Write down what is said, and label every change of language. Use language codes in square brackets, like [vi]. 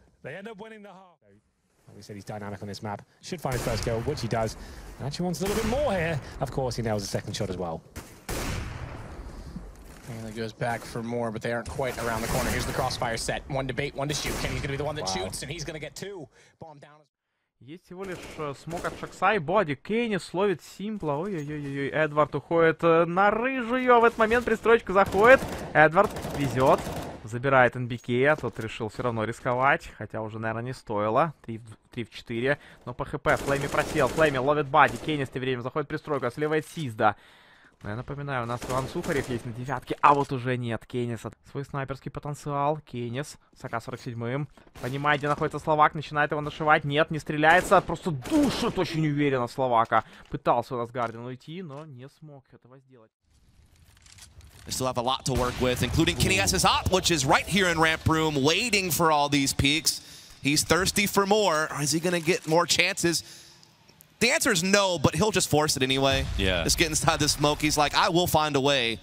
[en] They end up winning the half. Like we said, he's dynamic on this map. Should find his first kill, which he does. And actually wants a little bit more here. Of course, he nails a second shot as well. And he goes back for more, but they aren't quite around the corner. Here's the crossfire set. One to bait, one to shoot. Kenny's going to be the one that wow. shoots, and he's going to get two. Bomb down. [ru] Есть всего лишь смок от Шокса и боди. Кеннис ловит симпла. Ой-ой-ой-ой. Эдвард уходит на рыжую. В этот момент пристройка заходит. Эдвард везет. Забирает НБК. А тот решил все равно рисковать. Хотя уже, наверное, не стоило. 3 в 4. Но по ХП. Флейми просел. Флейми ловит боди. Кеннис тем временем заходит пристройка. Сливает Сизда. Но я напоминаю, у нас Иван Сухарев есть на девятке. А вот уже нет. Кеннис. Свой снайперский потенциал. Кеннис. С АК-47. Понимает, где находится Словак. Начинает его нашивать. Нет, не стреляется. Просто душит очень уверенно Словака. Пытался у нас Гардиан уйти, но не смог этого сделать. [en] We still have a lot to work with, including kennyS's op, which is right here in ramp room, waiting for all these peaks. He's thirsty for more. Is he gonna get more chances? The answer is no, but he'll just force it anyway. Yeah. Just get inside the smoke. He's like, I will find a way